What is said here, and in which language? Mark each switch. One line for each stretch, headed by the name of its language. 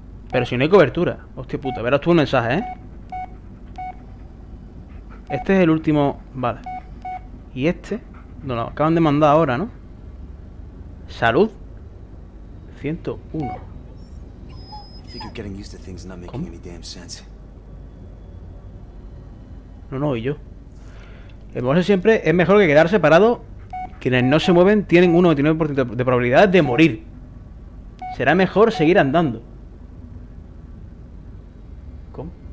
Spanish: Pero si no hay cobertura. Hostia puta, verás tú un mensaje, ¿eh? Este es el último... Vale. Y este... Nos lo acaban de mandar ahora, ¿no? Salud. 101.
English: I think you're getting used to things not making any damn sense.
Spanish: No, no, y yo. El moverse siempre es mejor que quedar separado. Quienes no se mueven tienen un 99% de probabilidad de morir. Será mejor seguir andando. ¿Cómo?